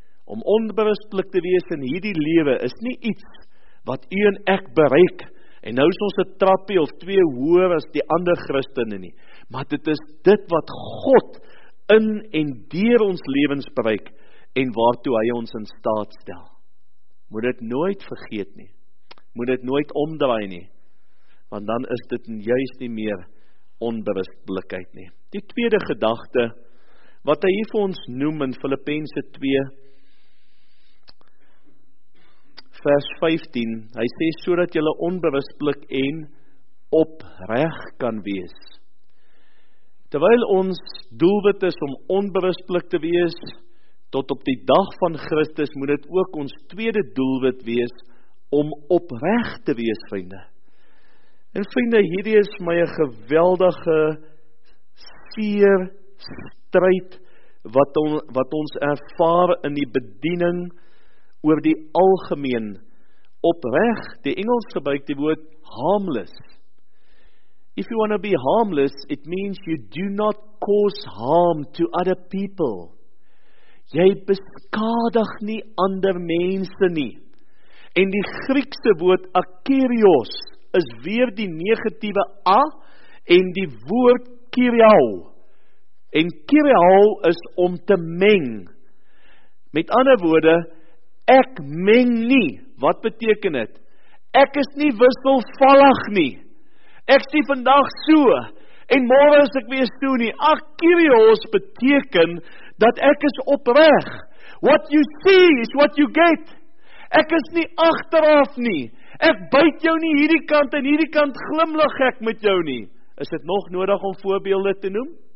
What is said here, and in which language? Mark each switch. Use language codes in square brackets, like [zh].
[af] Om onberispelik te wees in hierdie lewe is nie iets wat u en ek bereik, en nou is ons 'n trappie of twee hoër as die ander Christene nie, maar dit is dit wat God in en deur ons lewens bereik, en waartoe hy ons in staat stel. Moet dit nooit vergeet nie, moet dit nooit omdraai nie, want dan is dit juist nie meer onberispelikheid nie. Die tweede gedagte wat hy hier vir ons noem in Filippense 2 vers 15, hy sê, sodat julle onberispelik en opreg kan wees. Terwyl ons doelwit is om onberispelik te wees, tot op die dag van Christus, moet dit ook ons tweede doelwit wees, om opreg te wees, vriende. En vriende, hierdie is my 'n geweldige seer stryd, wat ons ervaar in die bediening oor die algemeen. Opreg, die Engels gebruik die woord harmless. [en] If you want to be harmless, it means you do not cause harm to other people. [af] Jy beskadig nie ander mense nie. En die Griekse woord akerios is weer die negatiewe a en die woord kiriao. En kiriao is om te meng. Met ander woorde, ek meng nie. Wat beteken dit? Ek is nie wisselvallig nie. Ek is nie vandag so en môre is ek weer so nie. Akerios beteken dat ek is opreg. [en] What you see is what you get. [af] Ek is nie agteraf nie. Ek byt jou nie hierdie kant en hierdie kant glimlag ek met jou nie. Is dit nog nodig om voorbeelde te noem?